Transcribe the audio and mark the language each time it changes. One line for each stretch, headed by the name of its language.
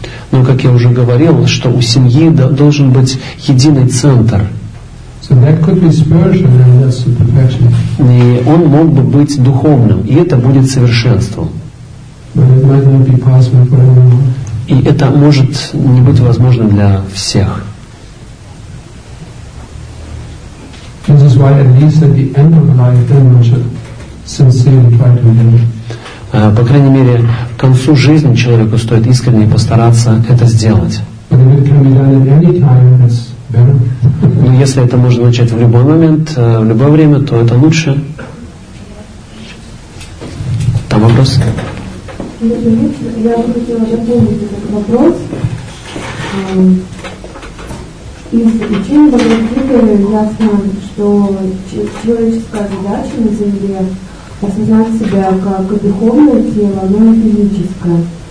Russian: Но, как я уже говорил, что у семьи должен быть единый центр.
English: So that could be spiritual, and that's the perfection.
Russian: И он мог бы быть духовным, и это будет совершенством.
English: But it might not be possible for everyone.
Russian: И это может не быть возможным для всех.
English: This is why at least at the end of life then we should sincerely try to live.
Russian: По крайней мере, к концу жизни человеку стоит искренне постараться это сделать.
English: But if it can be done at any time, that's better.
Russian: Но если это можно начать в любой момент, в любое время, то это лучше. Там вопрос? Я бы хотела дополнить этот вопрос. Из учения Бхагавад-гиты ясно, что человеческая задача на Земле осознать себя как духовное тело, но и физическое.